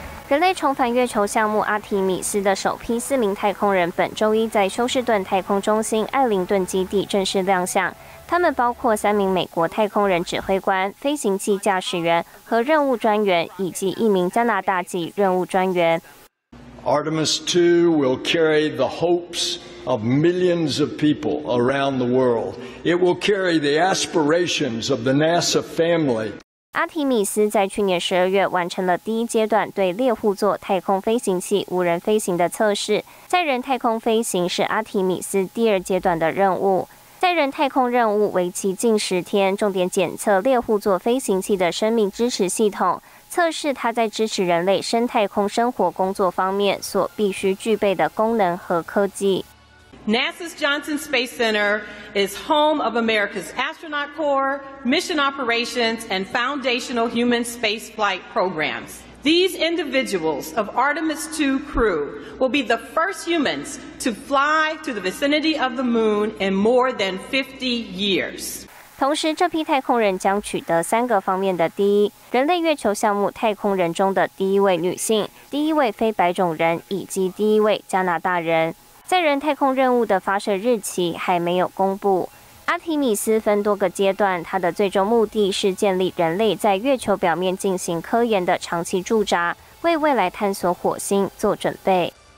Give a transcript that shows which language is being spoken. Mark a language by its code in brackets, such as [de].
[zh] 人类重返月球项目阿提米斯的首批4名太空人本周一在休斯顿太空中心艾灵顿基地正式亮相，他们包括3名美国太空人指挥官、飞行器驾驶员和任务专员，以及1名加拿大籍任务专员。 [en] Artemis II will carry the hopes of millions of people around the world. It will carry the aspirations of the NASA family. [zh] 阿提米斯在去年12月完成了第一阶段对猎户座太空飞行器无人飞行的测试。载人太空飞行是阿提米斯第二阶段的任务。载人太空任务为期近10天，重点检测猎户座飞行器的生命支持系统，测试它在支持人类深太空生活工作方面所必须具备的功能和科技。 [en] NASA's Johnson Space Center is home of America's Astronaut Corps, Mission Operations, and Foundational Human Spaceflight Programs. These individuals of Artemis II crew will be the first humans to fly to the vicinity of the moon in more than 50 years. [zh] 同时，这批太空人将取得3个方面的第一：人类月球项目太空人中的第一位女性、第一位非白种人以及第一位加拿大人。载人太空任务的发射日期还没有公布。阿提米斯分多个阶段，它的最终目的是建立人类在月球表面进行科研的长期驻扎，为未来探索火星做准备。